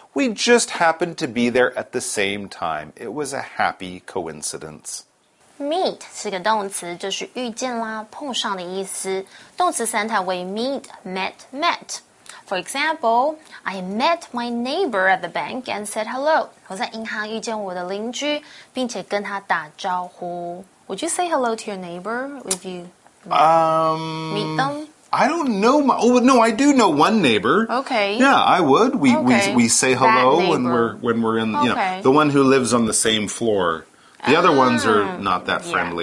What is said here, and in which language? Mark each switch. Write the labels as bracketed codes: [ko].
[en] We just happened to be there at the same time. It was a happy coincidence. [zh] Meet 是个动词，就是遇见啦，碰上的意思。动词三态为 meet, met, met. [en] For example, I met my neighbor at the bank and said hello. [zh] 我在银行遇见我的邻居，并且跟他打招呼。 [en] Would you say hello to your neighbor if you meet them? I don't know. I do know one neighbor. Okay. Yeah, I would. We say hello when we're in, you know, the one who lives on the same floor. The other ones are not that friendly.